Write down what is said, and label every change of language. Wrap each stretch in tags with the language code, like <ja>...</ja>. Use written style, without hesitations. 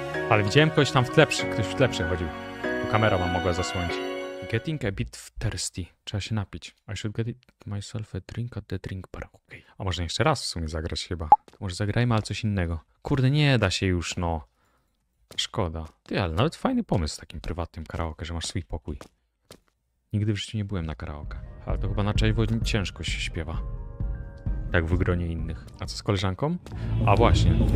<pl>Ale widziałem kogoś tam w tle, ktoś w tle przychodził. Bo kamera wam mogła zasłonić.</pl> <en>Getting a bit thirsty.</en> <pl>Trzeba się napić.</pl> <en>I should get myself a drink at the drink bar. Okay.</en> <pl>A może jeszcze raz w sumie zagrać chyba. Może zagrajmy, ale coś innego. Kurde, nie da się już, no. Szkoda. Ty, ale nawet fajny pomysł z takim prywatnym karaoke, że masz swój pokój. Nigdy w życiu nie byłem na karaoke. Ale to chyba na czerwo ciężko się śpiewa. Tak w gronie innych. A co z koleżanką? A właśnie.</pl>